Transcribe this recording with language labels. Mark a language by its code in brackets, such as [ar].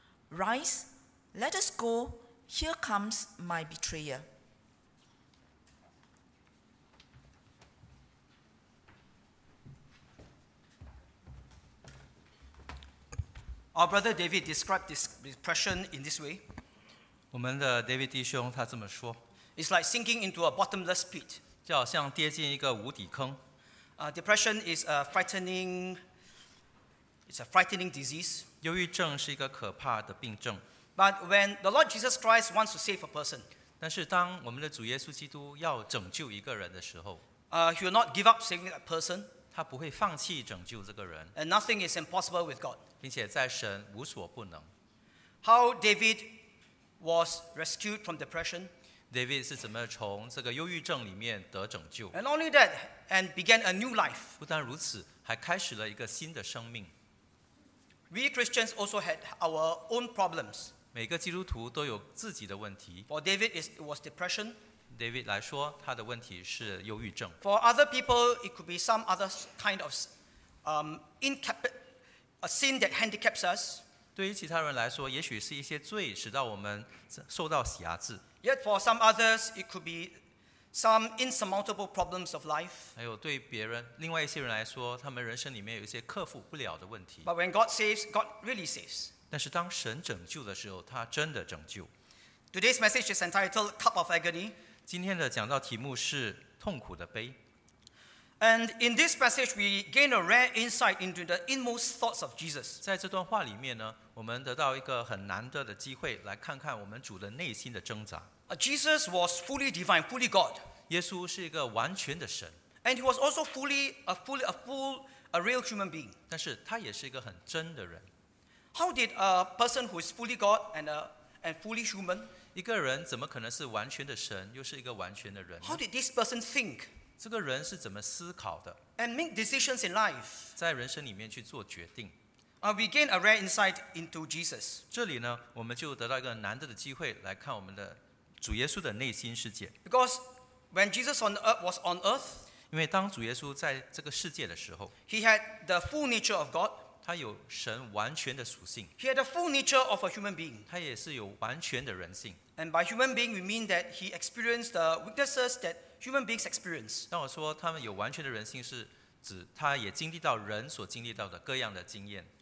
[en] Rise, let us go, here comes my betrayer. Our brother David described this depression in this way. [zh] 我们的 David 弟兄他这么说。 [en] It's like sinking into a bottomless pit. [zh] 就好像跌进一个无底坑。 [en] Depression is a frightening. It's a frightening disease. [zh] 忧郁症是一个可怕的病症。 [en] But when the Lord Jesus Christ wants to save a person. [zh] 但是当我们的主耶稣基督要拯救一个人的时候。 [en] He will not give up saving that person. [zh] 他不会放弃拯救这个人。 [en] And nothing is impossible with God. [zh] 并且在神无所不能。 [en] How David was rescued from depression. [zh] David 是怎么从这个忧郁症里面得拯救。 [en] And only that, and began a new life. [zh] 不但如此，还开始了一个新的生命。 [en] We Christians also had our own problems. [zh] 每个基督徒都有自己的问题。 [en] For David, it was depression. [zh] David 来说，他的问题是忧郁症。 [en] For other people, it could be some other kind of a sin that handicaps us. [zh] 对于其他人来说，也许是一些罪使到我们受到辖制。 [en] Yet for some others, it could be some insurmountable problems of life. [zh] 还有对别人，另外一些人来说，他们人生里面有一些克服不了的问题。 [en] But when God saves, God really saves. [zh] 但是当神拯救的时候，他真的拯救。 [en] Today's message is entitled "Cup of Agony." [zh] 今天的讲到题目是痛苦的杯。 [en] And in this passage, we gain a rare insight into the inmost thoughts of Jesus. [zh] 在这段话里面呢，我们得到一个很难得的机会，来看看我们主的内心的挣扎。 [en] Jesus was fully divine, fully God. [zh] 耶稣是一个完全的神。 [en] And he was also a real human being. [zh] 但是他也是一个很真的人。 [en] How did a person who is fully God and fully human? [zh] 一个人怎么可能是完全的神，又是一个完全的人呢？ [en] How did this person think? [zh] 这个人是怎么思考的？ [en] And make decisions in life. [zh] 在人生里面去做决定。 [en] We gain a rare insight into Jesus. [zh] 这里呢，我们就得到一个难得的机会来看我们的主耶稣的内心世界。 [en] Because when Jesus was on earth, [zh] 因为当主耶稣在这个世界的时候， [en] He had the full nature of God. [zh] 他有神完全的属性。 [en] He had the full nature of a human being. [zh] 他也是有完全的人性。 [en] And by human being, we mean that he experienced the weaknesses that human beings experience. [zh] 那我说他们有完全的人性，是指他也经历到人所经历到的各样的经验。